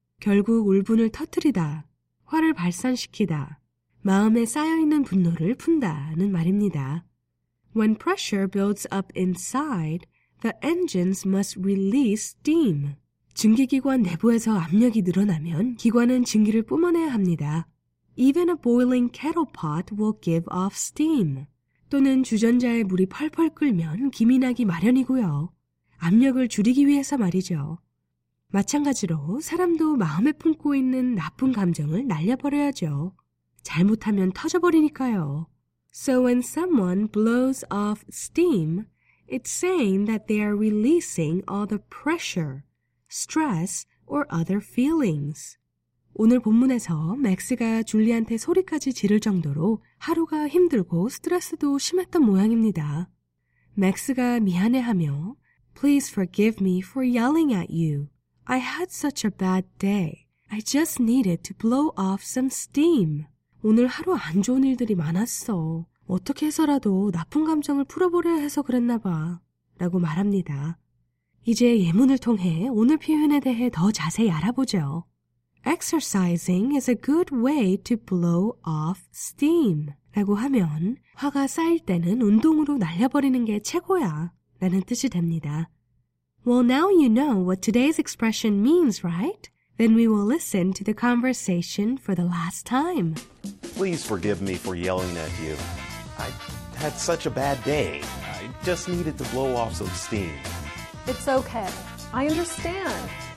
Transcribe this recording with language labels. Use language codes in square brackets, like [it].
[ko] 결국 울분을 터뜨리다, 화를 발산시키다, 마음에 쌓여있는 분노를 푼다는 말입니다. [en] When pressure builds up inside, the engines must release steam. [ko] 증기기관 내부에서 압력이 늘어나면 기관은 증기를 뿜어내야 합니다. [en] Even a boiling kettle pot will give off steam. [ko] 또는 주전자에 물이 펄펄 끓면 김이 나기 마련이고요. 압력을 줄이기 위해서 말이죠. 마찬가지로 사람도 마음에 품고 있는 나쁜 감정을 날려버려야죠. 잘못하면 터져버리니까요. [en] So when someone blows off steam, it's saying that they are releasing all the pressure, stress, or other feelings. [ko] 오늘 본문에서 맥스가 줄리한테 소리까지 지를 정도로 하루가 힘들고 스트레스도 심했던 모양입니다. 맥스가 미안해하며 [en] Please forgive me for yelling at you. I had such a bad day. I just needed to blow off some steam. [ko] 오늘 하루 안 좋은 일들이 많았어. 어떻게 해서라도 나쁜 감정을 풀어보려 해서 그랬나 봐. 라고 말합니다. 이제 예문을 통해 오늘 표현에 대해 더 자세히 알아보죠. [en] Exercising is a good way to blow off steam. [ko] 라고 하면 화가 쌓일 때는 운동으로 날려버리는 게 최고야 라는 뜻이 됩니다. [en] Well, now you know what today's expression means, right? Then we will listen to the conversation for the last time. Please forgive me for yelling at you. I had such a bad day. I just needed to blow off some steam. It's okay. I understand.